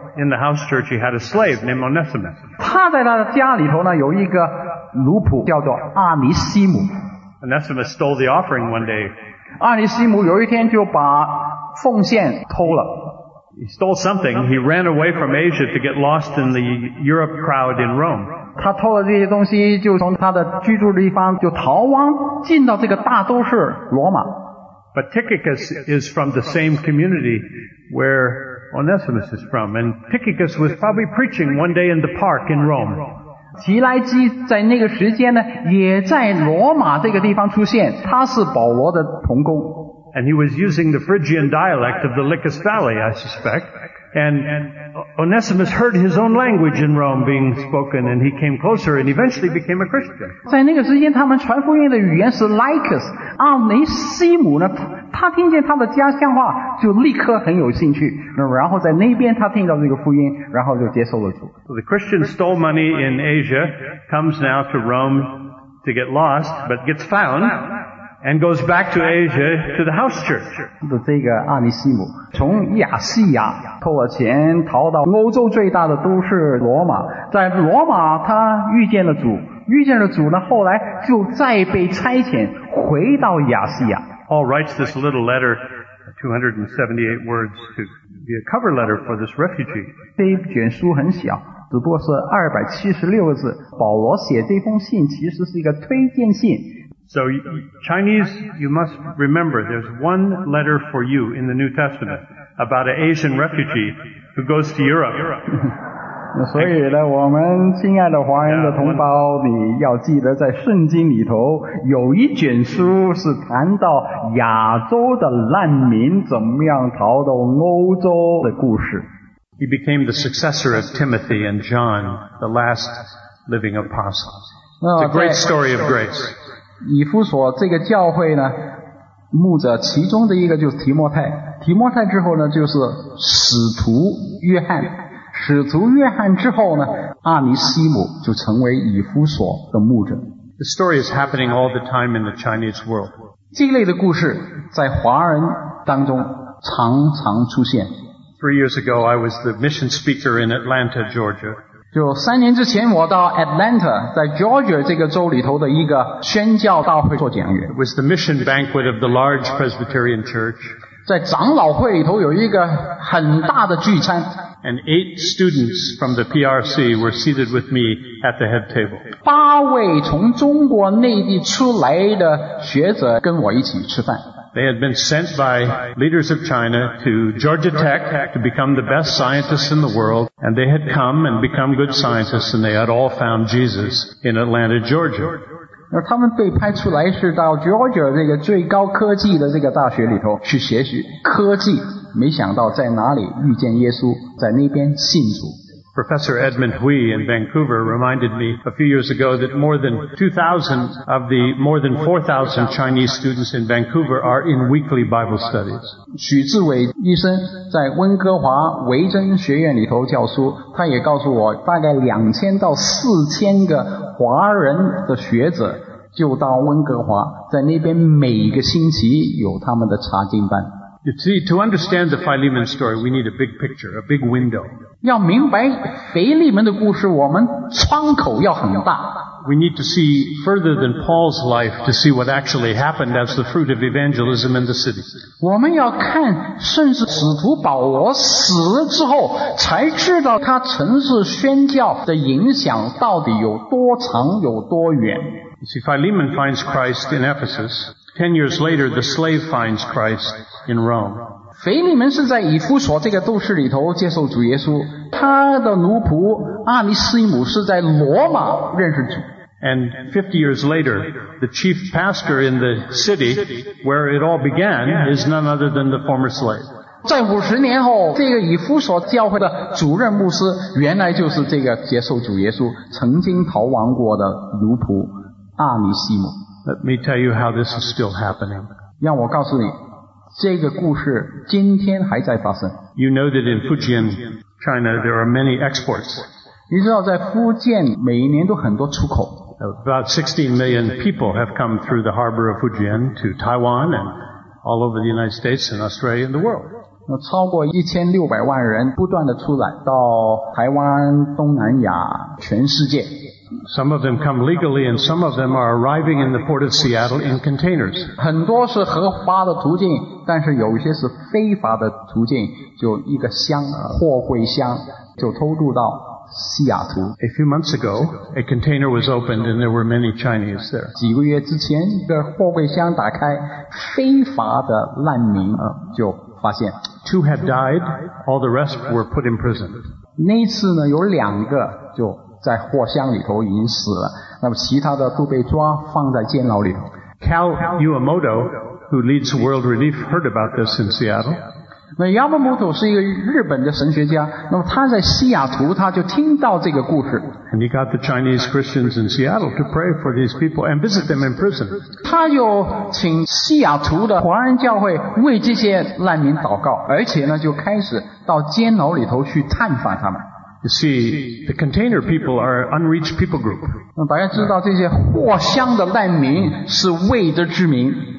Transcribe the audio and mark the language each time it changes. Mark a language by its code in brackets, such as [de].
[en] In the house church he had a slave named Onesimus. [zh] 他在他的家里头呢有一个奴仆叫做阿尼西姆。 [en] Onesimus stole the offering one day. [zh] 阿尼西姆有一天就把奉献偷了。 [en] He stole something. He ran away from Asia to get lost in the Europe crowd in Rome. [zh] 他偷了这些东西，就从他的居住地方就逃亡，进到这个大都市罗马。 [en] But Tychicus is from the same community where Onesimus is from, and Tychicus was probably preaching one day in the park in Rome. [zh] 提莱基在那个时间呢，也在罗马这个地方出现，他是保罗的同工。 [en] And he was using the Phrygian dialect of the Lycus Valley, I suspect. And Onesimus heard his own language in Rome being spoken, and he came closer and eventually became a Christian. [zh] 在那个时间，他们传福音的语言是 Lycus， 阿尼西姆呢，他听见他的家乡话，就立刻很有兴趣。那然后在那边，他听到这个福音，然后就接受了主。 [en] So the Christian stole money in Asia, comes now to Rome to get lost, but gets found. And goes back to Asia to the house church. [zh] 这个阿尼西姆从亚细亚偷了钱，逃到欧洲最大的都市罗马。在罗马，他遇见了主，遇见了主呢，后来就再被差遣回到亚细亚。 [en] Paul writes this little letter, 278 words, to be a cover letter for this refugee. [zh] 这一卷书很小。只不过是276个字，保罗写这封信其实是一个推荐信。 [en] So, Chinese, you must remember, there's one letter for you in the New Testament about an Asian refugee who goes to Europe. [zh] 所以呢，我们亲爱的华人的同胞，你要记得在圣经里头有一卷书是谈到亚洲的难民怎么样逃到欧洲的故事。 [en] He became the successor of Timothy and John, the last living apostles. It's a great story of grace. [zh] 以弗所这个教会呢，牧者其中的一个就是提摩太。提摩太之后呢，就是使徒约翰。使徒约翰之后呢，阿尼西姆就成为以弗所的牧者。 [en] The story is happening all the time in the Chinese world. [zh] 这类的故事在华人当中常常出现。 [en] Three years ago, I was the mission speaker in Atlanta, Georgia. [zh] 就三年之前，我到 Atlanta， 在 Georgia 这个州里头的一个宣教大会做讲员。 [en] It was the mission banquet of the large Presbyterian church. [zh] 在长老会里头有一个很大的聚餐。 [en] And eight students from the PRC were seated with me at the head table. [zh] 八位从中国内地出来的学者跟我一起吃饭。 [en] They had been sent by leaders of China to Georgia Tech to become the best scientists in the world, and they had come and become good scientists, and they had all found Jesus in Atlanta, Georgia. [zh] 那他们被派出来是到 Georgia 这个最高科技的这个大学里头去学习科技。没想到在哪里遇见耶稣，在那边信主。 [en] Professor Edmund Hui in Vancouver reminded me a few years ago that more than 4,000 Chinese students in Vancouver are in weekly Bible studies. [zh] 许志伟医生在温哥华维珍学院里头教书，他也告诉我，大概2000到4000个华人的学者就到温哥华，在那边每个星期有他们的查经班。 [en] You see, to understand the Philemon story, we need a big picture, a big window. [zh] 要明白腓利门的故事，我们窗口要很大。 [en] We need to see further than Paul's life to see what actually happened as the fruit of evangelism in the city. [zh] 我们要看甚至使徒保罗死了之后才知道他城市宣教的影响到底有多长有多远。 [en] You see, Philemon finds Christ in Ephesus. 10 years later, the slave finds Christ in Rome. [zh] 腓利门是在以弗所这个都市里头接受主耶稣，他的奴仆阿尼斯姆是在罗马认识主。 [en] And 50 years later, the chief pastor in the city where it all began is none other than the former slave. [zh] 在50年后，这个以弗所教会的主任牧师原来就是这个接受主耶稣曾经逃亡过的奴仆阿尼斯姆。 [en] Let me tell you how this is still happening. [zh] 让我告诉你，这个故事今天还在发生。 [en] You know that in Fujian, China, there are many exports. [zh] 你知道在福建每一年都很多出口。 [en] About 16 million people have come through the harbor of Fujian to Taiwan and all over the United States and Australia and the world. [zh] 超过1600万人不断的出来到台湾、东南亚、全世界。 [en] Some of them come legally and some of them are arriving in the port of Seattle in containers. [zh] 很多是合法的途径，但是有些是非法的途径，就一个箱，货柜箱，就偷渡到西雅图。 [en] A few months ago, a container was opened and there were many Chinese there. [zh] 几个月之前，一个货柜箱打开，非法的难民就发现。 [en] Two had died, all the rest were put in prison. [zh] 那次呢，有两个就在货箱里头已经死了，那么其他的都被抓放在监牢里头。 [en] Cal Yamamoto, who leads World Relief, heard about this in Seattle. [zh] 那 Yamamoto 是一个日本的神学家，那么他在西雅图他就听到这个故事。 [en] And he got the Chinese Christians in Seattle to pray for these people and visit them in prison. [zh] 他又请西雅图的华人教会为这些难民祷告，而且呢就开始到监牢里头去探访他们。 [en] You see, the container people are unreached people group. [zh] 大家知道这些货箱的难民是未得之民。